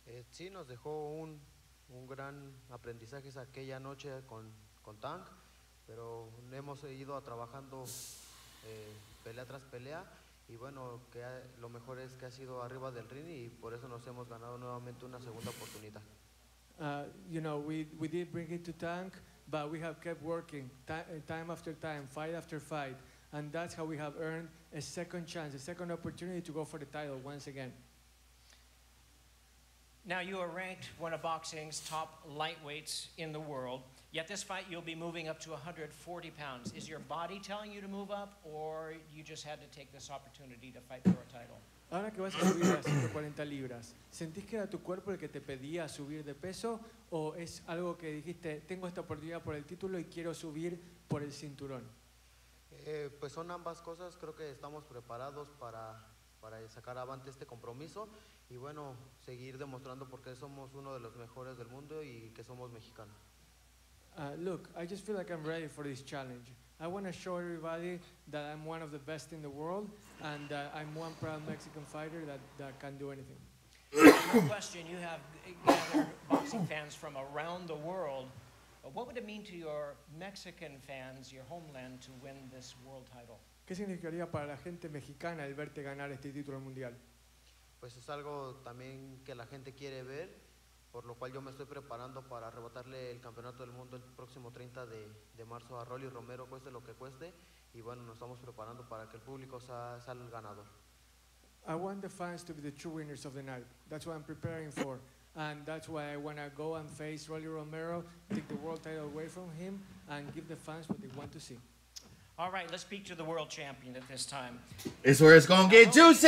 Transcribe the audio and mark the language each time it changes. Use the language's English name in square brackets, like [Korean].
[Spanish] Sí, nos dejó un gran aprendizaje esa aquella noche con Tank, pero hemos ido trabajando pelea tras pelea, y bueno, que lo mejor es que ha sido arriba del ring, y por eso nos hemos ganado nuevamente una segunda oportunidad. [English] You know, we did bring it to Tank, but we have kept working time after time, fight after fight, and that's how we have earned a second chance, a second opportunity to go for the title once again. Now, you are ranked one of boxing's top lightweights in the world, yet this fight you'll be moving up to 140 pounds. Is your body telling you to move up, or you just had to take this opportunity to fight for a title? [Spanish] Ahora que vas a subir a 140 libras, ¿sentís que era tu cuerpo el que te pedía subir de peso, o es algo que dijiste, tengo esta oportunidad por el título y quiero subir por el cinturón? Pues son ambas cosas. Creo que estamos preparados para sacar adelante este compromiso y bueno, seguir demostrando porque somos uno de los mejores del mundo y que somos mexicanos. [English] Look, I just feel like I'm ready for this challenge. I want to show everybody that I'm one of the best in the world, and I'm one proud Mexican fighter that can do anything. No question, you have gathered boxing fans from around the world. What would it mean to your Mexican fans, your homeland, to win this world title? [Spanish] ¿Qué significaría para la gente mexicana el verte ganar este título mundial? Pues es algo también que la gente quiere ver, por lo cual yo me estoy preparando para arrebatarle el campeonato del mundo el próximo 30 de marzo a Rolly Romero, cueste lo que cueste, y bueno, nos estamos preparando para que el público sea el ganador. [English] I want the fans to be the true winners of the night. That's what I'm preparing for, and that's why I want to go and face Rolly Romero, take the world title away from him, and give the fans what they want to see. All right, let's speak to the world champion at this time. It's where it's going to get juicy.